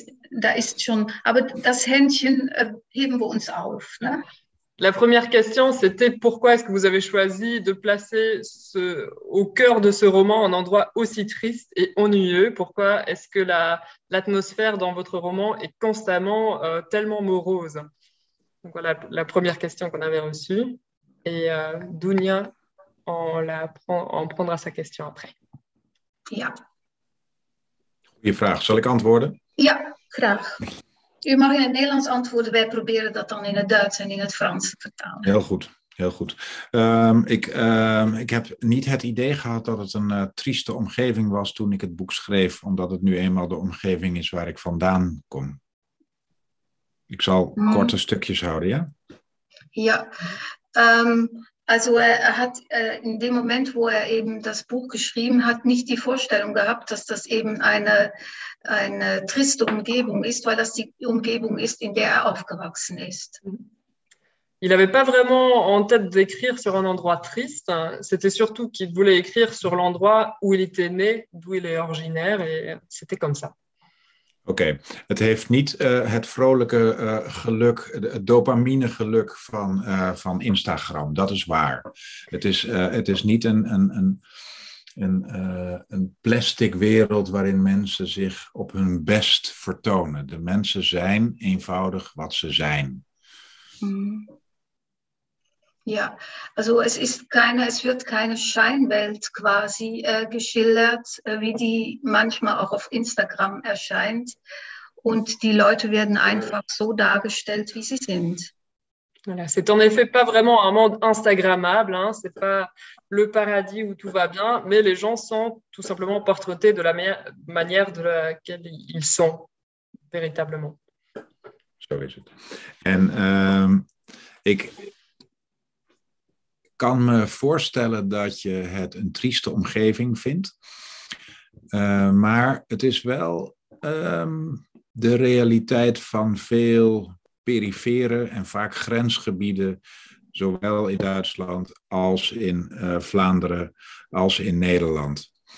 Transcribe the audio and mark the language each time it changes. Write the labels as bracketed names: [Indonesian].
[German] Da ist schon, aber das Händchen heben wir uns auf, ne? [French] La première question, c'était pourquoi est-ce que vous avez choisi de placer au cœur de ce roman un endroit aussi triste et ennuyeux? Pourquoi est-ce que l'atmosphère dans votre roman est constamment tellement morose? Donc voilà la première question qu'on avait reçue. Et Dunia en prendra sa question après. [Dutch] Ja. Goeie vraag, zal ik antwoorden? Ja. Graag. U mag in het Nederlands antwoorden. Wij proberen dat dan in het Duits en in het Frans te vertalen. Heel goed, heel goed. Ik heb niet het idee gehad dat het een trieste omgeving was toen ik het boek schreef, omdat het nu eenmaal de omgeving is waar ik vandaan kom. Ik zal korte stukjes houden, ja? Ja. [German] Also er hat in dem Moment, wo er eben das Buch geschrieben hat, nicht die Vorstellung gehabt, dass das eben eine triste Umgebung ist, weil das die Umgebung ist, in der er aufgewachsen ist. [French] Il n'avait pas vraiment en tête d'écrire sur un endroit triste. C'était surtout qu'il voulait écrire sur l'endroit où il était né, d'où il est originaire, et c'était comme ça. [Dutch] Oké, het heeft niet het vrolijke geluk, het dopamine geluk van Instagram, dat is waar. Het is niet een plastic wereld waarin mensen zich op hun best vertonen. De mensen zijn eenvoudig wat ze zijn. [German] Ja, also es wird keine Scheinwelt quasi geschildert, wie die manchmal auch auf Instagram erscheint. Und die Leute werden einfach so dargestellt, wie sie sind. [French] Voilà, c'est en effet pas vraiment un monde instagrammable, hein. C'est pas le paradis où tout va bien, mais les gens sont tout simplement portraités de la manière de laquelle ils sont, véritablement. [Dutch] Zo is het. En ik kan me voorstellen dat je het een trieste omgeving vindt. Maar het is wel de realiteit van veel perifere en vaak grensgebieden, zowel in Duitsland als in Vlaanderen, als in Nederland.